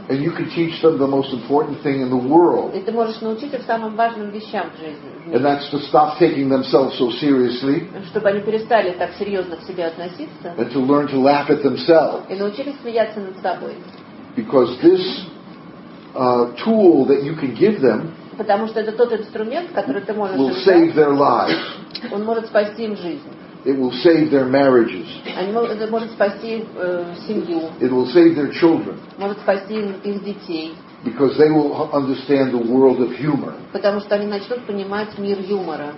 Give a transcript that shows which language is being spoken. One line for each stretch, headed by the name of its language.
English: And you can teach them the most important thing in the world.
Russian: И ты можешь научить их самым важным вещам в жизни.
English: And that's to stop taking themselves so seriously.
Russian: Чтобы они перестали так серьезно к себе относиться.
English: And to learn to laugh at themselves.
Russian: И научились смеяться над собой.
English: Because this tool that you can give them.
Russian: Потому что это тот инструмент, который ты можешь
English: will save their lives.
Russian: Он может спасти им жизнь.
English: It will save their marriages.
Russian: Это может спасти семью.
English: It will save their children.
Russian: Может спасти их детей.
English: Because they will understand the world of humor.
Russian: Потому что они начнут понимать мир юмора.